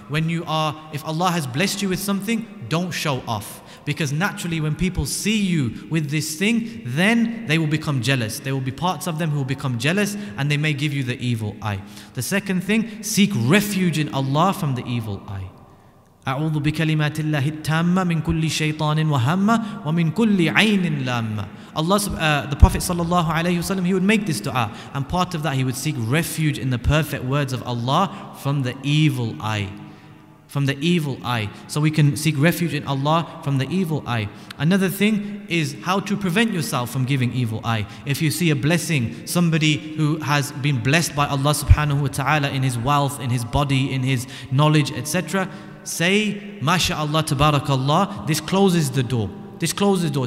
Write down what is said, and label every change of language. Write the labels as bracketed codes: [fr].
[en] If Allah has blessed you with something, don't show off. Because naturally, when people see you with this thing, then they will become jealous. There will be parts of them who will become jealous, and they may give you the evil eye. The second thing, seek refuge in Allah from the evil eye. [ar] أَعُوذُ بِكَلِمَاتِ اللَّهِ التَّامَّ مِنْ كُلِّ شَيْطَانٍ وَهَمَّ وَمِنْ كُلِّ عَيْنٍ لَامَّ [en] Allah, the Prophet sallallahu alayhi wasallam, he would make this dua. And part of that, he would seek refuge in the perfect words of Allah from the evil eye. from the evil eye. So we can seek refuge in Allah from the evil eye. Another thing is how to prevent yourself from giving evil eye. If you see a blessing, somebody who has been blessed by Allah subhanahu wa ta'ala in his wealth, in his body, in his knowledge, etc., say, MashaAllah, Tabarakallah, this closes the door. This closes the door.